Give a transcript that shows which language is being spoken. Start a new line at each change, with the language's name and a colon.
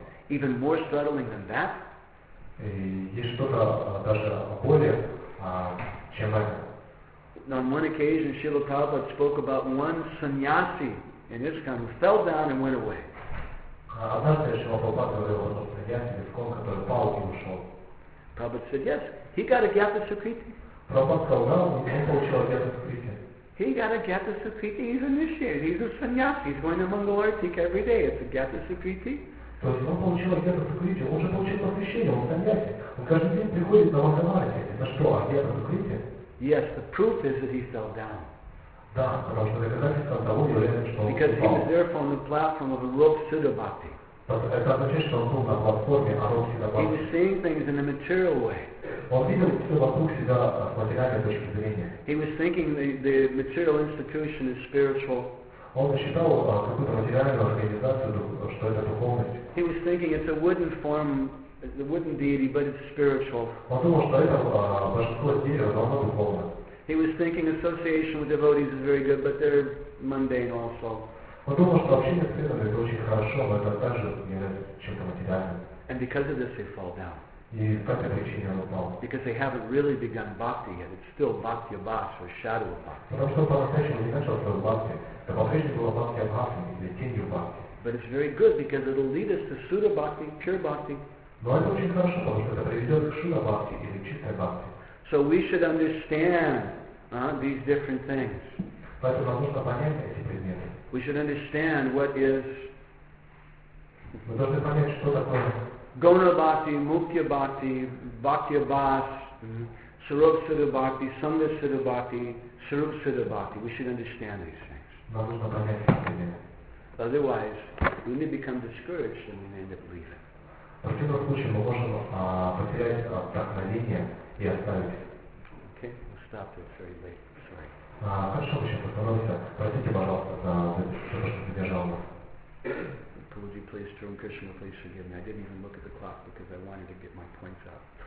English: Even more startling than that,
Russian: есть что-то даже более, чем это.
English: On one occasion, Srila Prabhupada spoke about one sannyasi in ISKCON who fell down and went away.
Russian: Однажды Шрила Прабхупада говорил о том сannyasi в ISKCON, который пал и ушел.
English: Prabhupada said, yes, he got a Gyatha Sukriti.
Russian: Прабхупада сказал, да, он получил Gyatha Sukriti.
English: He got a Gyatha Sukriti, he's initiated, he's a sannyasi, he's going to Mangalartik every day, it's a Gyatha Sukriti.
Russian: То есть он получил Агьята Сукрити, он уже получил посвящение, он сомнятся. Он каждый день приходит на Ваганарате. Это что, Агьята Сукрити?
English: Yes, the proof is that he fell down.
Russian: Да, потому что доказательство того, что он упал.
English: Because he was there from the platform of Arup Siddha Bhakti.
Russian: Это означает, что он был на платформе Arup Siddha Bhakti.
English: He was seeing things in a material way.
Russian: Он видел все вокруг себя с материальной точки зрения.
English: He was thinking the material institution is spiritual.
Russian: Он считал какую-то материальную организацию, что это духовность.
English: He was thinking it's a wooden form, it's a wooden deity, but it's spiritual.
Russian: Он думал, что это божество дерево, но оно духовное.
English: He was thinking association with devotees is very good, but they're mundane also.
Russian: Он думал, что общение с преданными это очень хорошо, но это также является чем-то материальным.
English: And because of this, they fall down.
Russian: И по этой причине он упал.
English: Because they haven't really begun bhakti yet, it's still bhakti abhas or shadow of bhakti.
Russian: Потому что он по-настоящему не начал свою бхакти. Это по-прежнему было бхакти абхасом, или тенью бхакти.
English: But it's very good because it'll lead us to Suddha Bhakti, pure Bhakti.
Russian: Но это очень хорошо, потому что это приведет к Suddha Bhakti, или чистой Bhakti.
English: So we should understand these different things.
Russian: Поэтому нам нужно понять эти предметы.
English: We should understand what is...
Russian: Мы должны понять, что такое...
English: Gona Bhakti, Mukya Bhakti, Bhakti Abhas, Sarup Suddha Bhakti, Sangha Suddha Bhakti, Sarup Suddha Bhakti. We should understand these things.
Russian: Нам нужно понять эти предметы.
English: Otherwise, we may become discouraged and we may end up leaving.
Russian: В противном случае мы можем потерять вдохновение и оставить.
English: Okay, we'll stop there. It's very late. Sorry.
Russian: Хорошо, мы сейчас остановимся. Простите, пожалуйста, за то, что задержал нас.
English: Puji, please, Trum Krishna, please forgive me. I didn't even look at the clock because I wanted to get my points out.